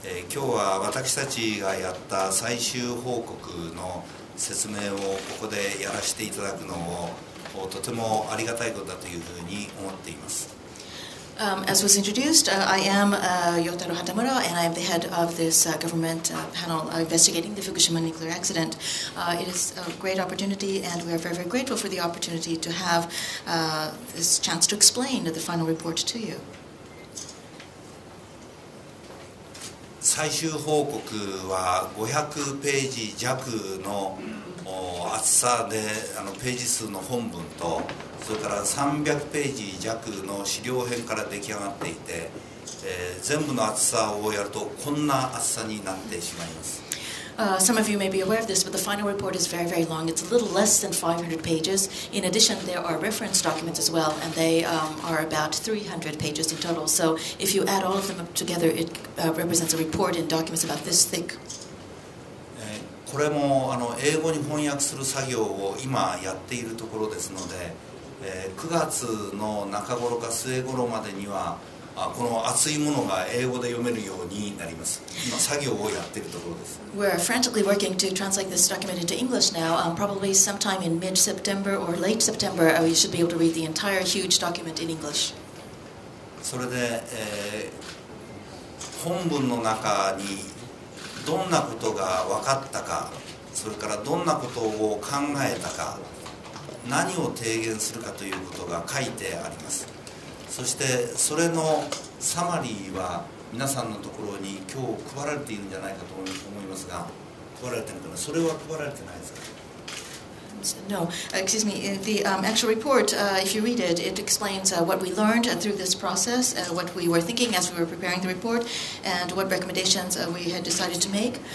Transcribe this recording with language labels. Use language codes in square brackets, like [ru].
[ja] 今日は私たちがやった最終報告の説明をここでやらせていただくのをとてもありがたいことだというふうに思っています。 [en] As was introduced, I am Yotaro Hatamura, and I am the head of this government panel investigating the Fukushima nuclear accident. It is a great opportunity, and we are very, very grateful for the opportunity to have this chance to explain the final report to you. [ja] 最終報告は500ページ弱の厚さで、ページ数の本文と、それから300ページ弱の資料編から出来上がっていて、全部の厚さをやるとこんな厚さになってしまいます。 [en] Some of you may be aware of this, but the final report is very, very long. It's a little less than 500 pages. In addition, there are reference documents as well, and they are about 300 pages in total. So if you add all of them up together, it represents a report in documents about this thick. [ja] これも英語に翻訳する作業を今やっているところですので、9月の中頃か末頃までには、この厚いものが英語で読めるようになります。今作業をやっているところです。 [en] We're frantically working to translate this document into English now. Probably sometime in mid-September or late September, you should be able to read the entire huge document in English. [ja] それで、本文の中にどんなことが分かったか、それからどんなことを考えたか、何を提言するかということが書いてあります。そしてそれのサマリーは皆さんのところに今日配られているんじゃないかと思いますが、配られているのかな、それは配られてないですか。 [en] No, excuse me. The actual report, if you read it, it explains what we learned through this process, what we were thinking as we were preparing the report, and what recommendations we had decided to make.